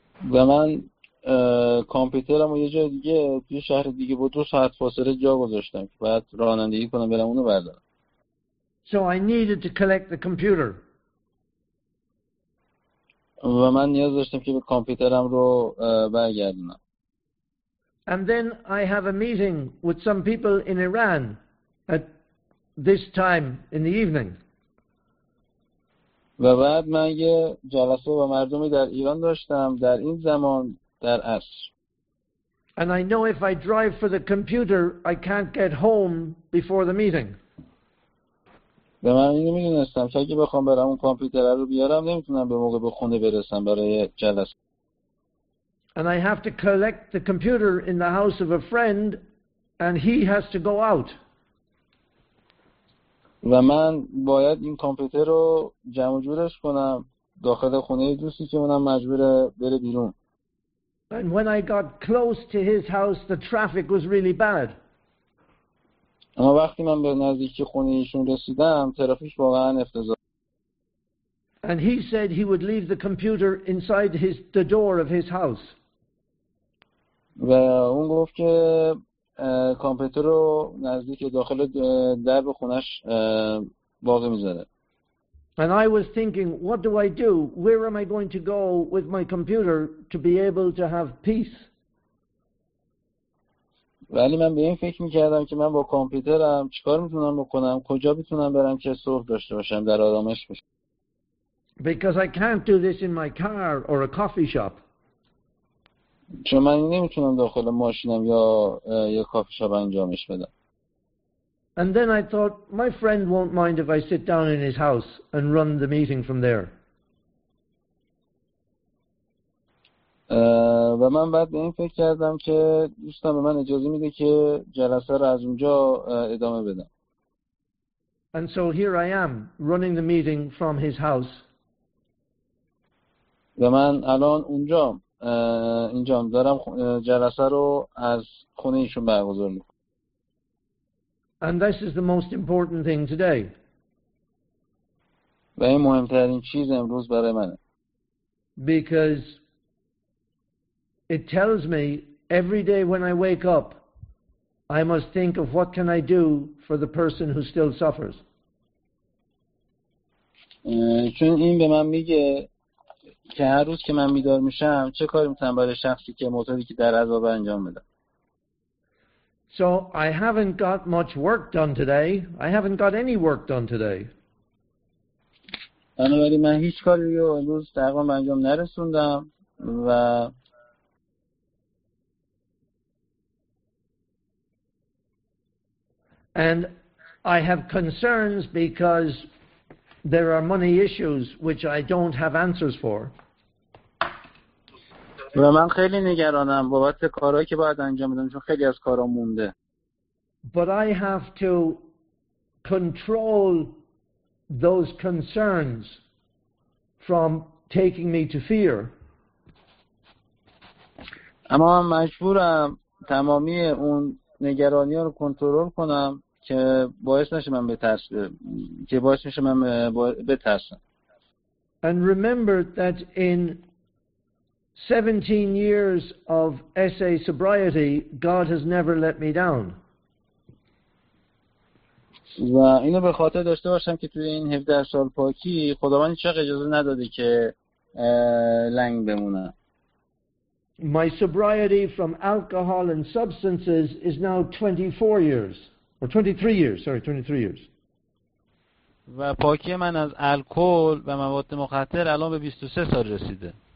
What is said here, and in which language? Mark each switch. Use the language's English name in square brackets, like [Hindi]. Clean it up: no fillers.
[Persian] و من کامپیوترم رو یه جای دیگه توی شهر دیگه با 2 ساعت فاصله جا گذاشتم که بعد رانندگی کنم برم اونو بردارم. [English] So I needed to collect the computer. [Persian] و من نیاز داشتم که به کامپیوترم رو برگردونم. [English] And then I have a meeting with some people in Iran at this time in the evening. [Persian] و بعد من یه جلسه با مردمی در ایران داشتم در این زمان در عصر. [English] And I know if I drive for the computer I can't get home before the meeting. [Persian] و من اینو میدونستم که اگه بخوام برم اون کامپیوتر رو بیارم نمیتونم به موقع به خونه برسم برای جلسه. [English] And I have to collect the computer in the house of a friend and he has to go out. [Persian] و من باید این کامپیوتر رو جمع جورش کنم داخل خونه دوستی که اونم مجبوره بره بیرون. [English] And when I got close to his house the traffic was really bad. [Persian] اما وقتی من به نزدیکی خونه ایشون رسیدم ترافیک واقعا افتضاح. [English] And he said he would leave the computer inside the door of his house. [Persian] و اون گفت که کامپیوتر رو نزدیک داخل درب خونش باقی میذاره. [English] And I was thinking, what do I do? Where am I going to go with my computer to be able to have peace? [Persian] ولی من به این فکر میکردم که من با کامپیوترم چیکار میتونم بکنم؟ کجا میتونم برم که صلح داشته باشم در آرامش باشم؟ [English] Because I can't do this in my car or a coffee shop. [Persian] چون من نمیتونم داخل ماشینم یا یه کافی شاپ انجامش بدم. [English] And then I thought my friend won't mind if I sit down in his house and run the meeting from there. [Persian] و من بعد به این فکر کردم که دوستم به من اجازه میده که جلسه رو از اونجا ادامه بدم. [English] And so here I am running the meeting from his house [Persian] و من الان اونجام اینجام دارم جلسه رو از خونه ایشون برگزار میکنم. [English] And this is the most important thing today. [Persian] و این مهمترین چیز امروز برای منه. [English] Because it tells me every day when I wake up, I must think of what can I do for the person who still suffers. [Persian] چون این به من میگه که هر روز که من بیدار میشم چه کاری میتونم برای شخصی که معتادی که در عذاب انجام بدم. [English] So I haven't got much work done today. I haven't got any work done today. [Persian] بنابراین من هیچ کاری رو امروز تقریبا انجام نرسوندم و [English] And I have concerns because there are money issues which I don't have answers for. [Persian] و من خیلی نگرانم بابت کارهایی که باید انجام بدم چون خیلی از کارا مونده. [English] But I have to control those concerns from taking me to fear. [Persian] اما من مجبورم تمامی اون نگرانی ها رو کنترل کنم که باعث نشه من بترسم که باعث میشه من بترسم. [English] And remember that in 17 years of SA sobriety, God has never let me down. [Persian] و اینو به خاطر داشته باشم که توی این 17 سال پاکی خداوند چقدر اجازه نداده که لنگ بمونه. [English] My sobriety from alcohol and substances is now 24 years. Or 23 years, sorry, 23 years. [Persian] و پاکی من از الکل و مواد مخدر الان به 23 سال رسیده.